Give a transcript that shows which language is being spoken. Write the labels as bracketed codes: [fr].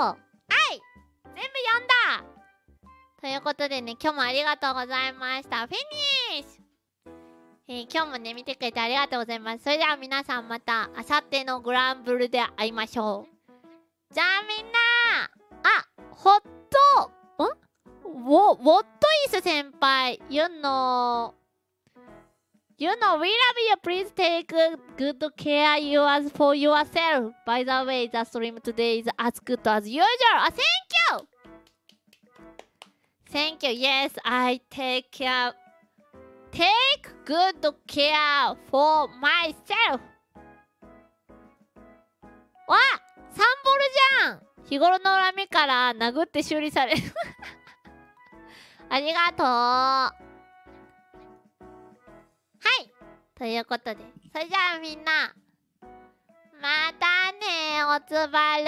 [ja] はい、全部読んだということでね、今日もありがとうございました。フィニッシュ。今日もね、見てくれてありがとうございます。それでは皆さん、また明後日のグランブルで会いましょう。じゃあみんな、あ、ホット、ん？ [en] ウォットイス先輩、You know, we love you. Please take good care yours for yourself. By the way, the stream today is as good as usual. あ、thank you! Thank you. Yes, I take care. Take good care for myself. [ja] わっ、サンボルじゃん。日頃の恨みから殴って修理される。ありがとう。はい、ということで、それじゃあみんな、またね、おつばる。